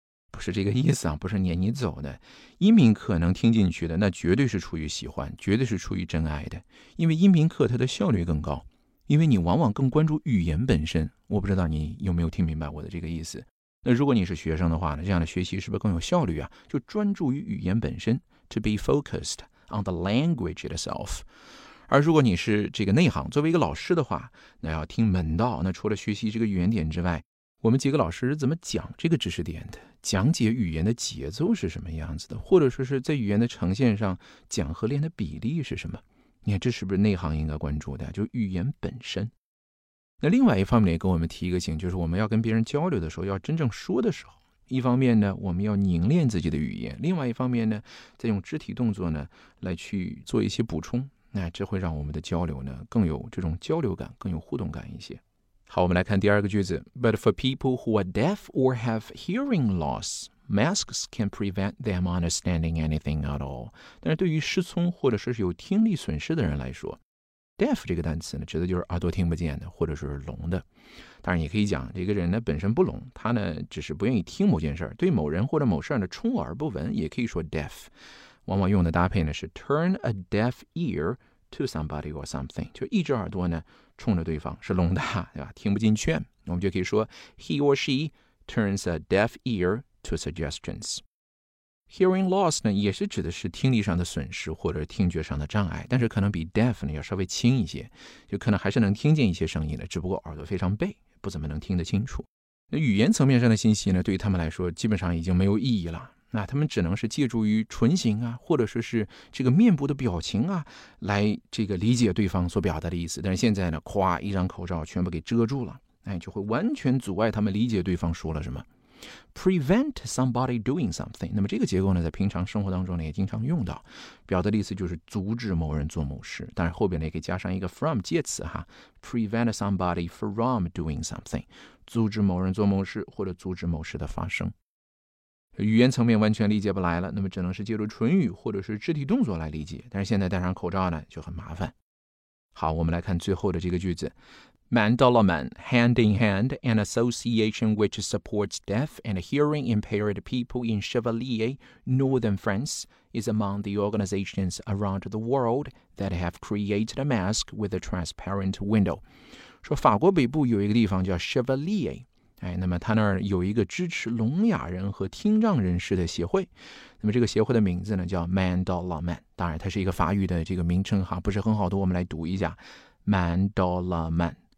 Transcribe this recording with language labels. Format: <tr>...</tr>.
<zh>不是这个意思啊，不是撵你走的。音频课能听进去的，那绝对是出于喜欢，绝对是出于真爱的。因为音频课它的效率更高，因为你往往更关注语言本身。我不知道你有没有听明白我的这个意思。那如果你是学生的话呢，这样的学习是不是更有效率啊？就专注于语言本身 ，</zh> <en>to be focused on the language itself。</en> <zh>而如果你是这个内行，作为一个老师的话，那要听门道。那除了学习这个语言点之外，我们几个老师是怎么讲这个知识点的？讲解语言的节奏是什么样子的？或者说是在语言的呈现上，讲和练的比例是什么？你看这是不是内行应该关注的？就语言本身。那另外一方面也给我们提一个醒，就是我们要跟别人交流的时候，要真正说的时候，一方面呢，我们要凝练自己的语言，另外一方面呢，再用肢体动作呢来去做一些补充，那这会让我们的交流呢更有这种交流感，更有互动感一些。好，我们来看第二个句子。</zh> <en>But for people who are deaf or have hearing loss, masks can prevent them understanding anything at all.</en> <zh>但是对于失聪或者说是有听力损失的人来说， deaf 这个单词呢指的就是耳朵听不见的或者说是聋的。当然也可以讲这个人呢本身不聋，他呢只是不愿意听某件事，对某人或者某事呢充耳不闻，也可以说 deaf。往往用的搭配呢是</zh> <en>turn a deaf ear to somebody or something，</en> <zh>就一只耳朵呢冲着对方，是聋的，对吧？听不进劝，我们就可以说</zh> <en>he or she turns a deaf ear to suggestions。</en> <zh>Hearing loss 呢也是指的是听力上的损失或者听觉上的障碍，但是可能比 deaf 呢要稍微轻一些，就可能还是能听见一些声音的，只不过耳朵非常背，不怎么能听得清楚。那语言层面上的信息呢对于他们来说基本上已经没有意义了，那他们只能是借助于唇形啊，或者说是这个面部的表情啊，来这个理解对方所表达的意思。但是现在呢，哗，一张口罩全部给遮住了，哎，就会完全阻碍他们理解对方说了什么。</zh> <en>Prevent somebody doing something，</en> <zh>那么这个结构呢，在平常生活当中呢也经常用到，表达的意思就是阻止某人做某事。当然后边呢也可以加上一个 from 介词哈 ，</zh> <en>prevent somebody from doing something，</en> <zh>阻止某人做某事或者阻止某事的发生。语言层面完全理解不来了，那么只能是借助唇语或者是肢体动作来理解，但是现在戴上口罩呢就很麻烦。好，我们来看最后的这个句子。</zh> <en>Mandalaman, Hand in Hand, an association which supports deaf and hearing impaired people in Chevalier, Northern France, is among the organizations around the world that have created a mask with a transparent window.</en> <zh>说法国北部有一个地方叫 Chevalier，哎，那么他那儿有一个支持聋哑人和听障人士的协会，那么这个协会的名字呢叫 Mandalaman， 当然它是一个法语的这个名称哈，不是很好读，我们来读一下 Mandalaman。</zh>